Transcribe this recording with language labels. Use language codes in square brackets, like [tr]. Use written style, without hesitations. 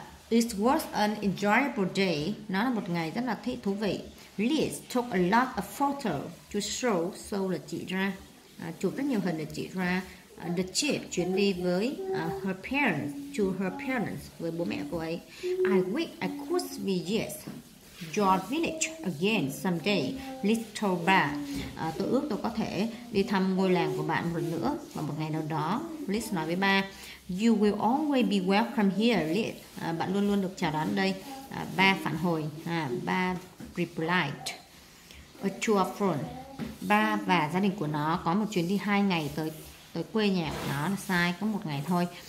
[en] It was an enjoyable day. [vi] Nó là một ngày rất là thú vị. [en] Liz took a lot of photos to show. [vi] So là chỉ ra, chụp rất nhiều hình để chỉ ra [en] the trip, [vi] chuyến đi với [en] her parents, [vi] với bố mẹ cô ấy. [en] I wish I could visit your village again someday, Liz told ba. [vi] Tôi ước tôi có thể đi thăm ngôi làng của bạn một lần nữa vào một ngày nào đó, Liz nói với ba. [en] You will always be welcome here, Liz. [vi] Bạn luôn luôn được chào đón đây. Ba phản hồi. [en] Ba replied. A tour from. [vi] Ba và gia đình của nó có một chuyến đi 2 ngày tới quê nhà của nó, là sai, có một ngày thôi.